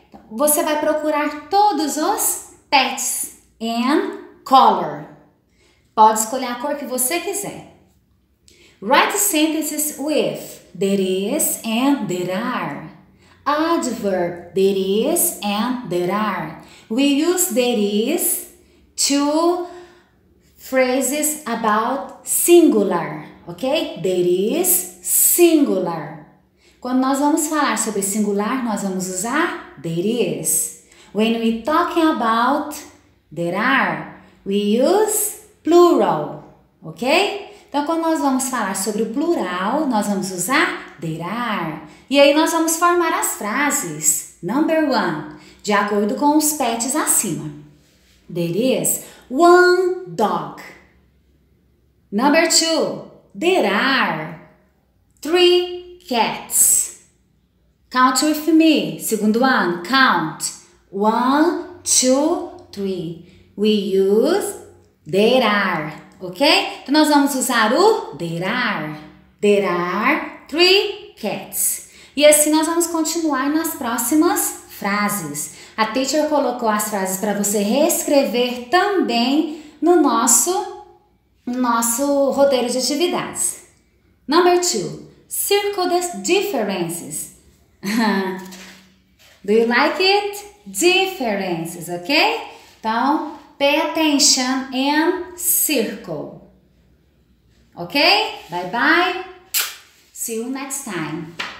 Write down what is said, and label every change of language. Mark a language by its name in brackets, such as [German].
[Portuguese] Você vai procurar todos os pets [English] and color. [Portuguese] Pode escolher a cor que você quiser. [English] Write sentences with there is and there are. Adverb there is and there are. We use there is to phrases about singular. Ok? There is singular. [Portuguese] Quando nós vamos falar sobre singular, nós vamos usar there is. [English] When we talking about there are, we use plural, ok? [Portuguese] Então, quando nós vamos falar sobre o plural, nós vamos usar there are. E aí, nós vamos formar as frases. [English] Number one, [Portuguese] de acordo com os pets acima. [English] There is one dog. Number two, there are three cats. Count with me. [Portuguese] Segundo ano, [English] count. One, two, three. We use there are. Ok? [Portuguese] Então, nós vamos usar o there are. [English] There are three cats. [Portuguese] E assim nós vamos continuar nas próximas frases. A teacher colocou as frases para você reescrever também no nosso roteiro de atividades. [English] Number two. Circle the differences. Do you like it? Differences, ok? Então, pay attention and circle. Ok? Bye bye. See you next time.